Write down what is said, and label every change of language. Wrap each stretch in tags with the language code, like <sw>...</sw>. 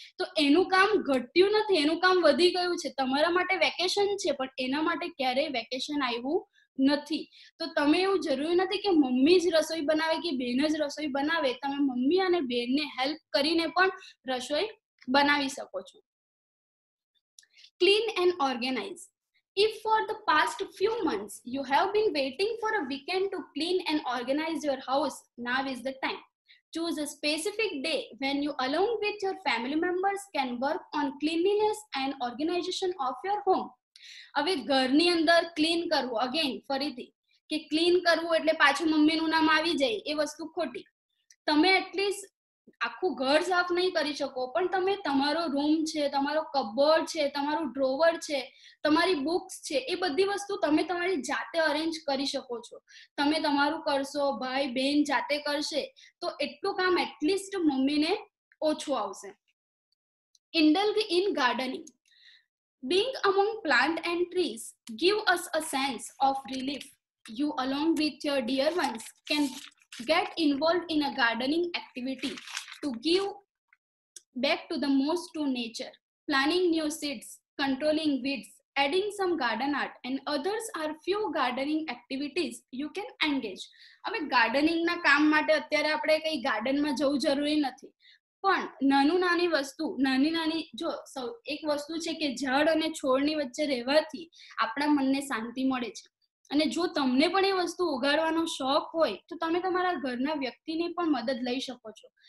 <gu>તો એનું કામ ઘટ્યું નથી, એનું કામ વધી ગયું છે. તમારા માટે વેકેશન છે પણ એના માટે ક્યારેય વેકેશન આવ્યું નથી. તો તમે એવું જરૂરી નથી કે મમ્મી જ રસોઈ બનાવે કે બહેન જ રસોઈ બનાવે, તમે મમ્મી અને બહેનને હેલ્પ કરીને પણ રસોઈ બનાવી શકો છો.</gu> <en>Clean and organize. If for the past few months you have been waiting for a weekend to clean and organize your house, now is the time. Choose a specific day when you along with your family members can work on cleanliness and organization of your home.</en> <gu>હવે ઘરની અંદર clean કરવું, again ફરીથી કે clean કરવું એટલે પાછું મમ્મીનું નામ આવી જાય, એ વસ્તુ ખોટી. તમે એટલીસ્ટ આખું ઘર સાફ નહીં કરી શકો, પણ તમે તમારો રૂમ છે, તમારો કબર્ડ છે, તમારું ડ્રોવર છે, તમારી બુક્સ છે, એ બધી વસ્તુ તમે તમારી જાતે અરેન્જ કરી શકો છો. તમે તમારું કરશો, ભાઈ બહેન જાતે કરશે, તો એટલું કામ એટલીસ્ટ મમ્મીને ઓછું આવશે.</gu> <en>Indulge in gardening. Being among plant and trees give us a sense of relief. You along with your dear ones can get involved in a gardening activity to give back to the most to nature. Planting new seeds, controlling weeds, adding some garden art and others are few gardening activities you can engage.</en> <gu>હવે gardening ના કામ માટે અત્યારે આપણે કઈ garden માં જવું જરૂરી નથી, પણ નાનું નાની વસ્તુ, નાની નાની, જો એક વસ્તુ છે કે ઝાડ અને છોડની વચ્ચે રહેવાથી આપણા મનને શાંતિ મળે છે. અને જો તમને પણ એ વસ્તુ ઉગાડવાનો શોખ હોય તો તમે તમારા ઘરના વ્યક્તિની પણ મદદ લઈ શકો છો.</gu>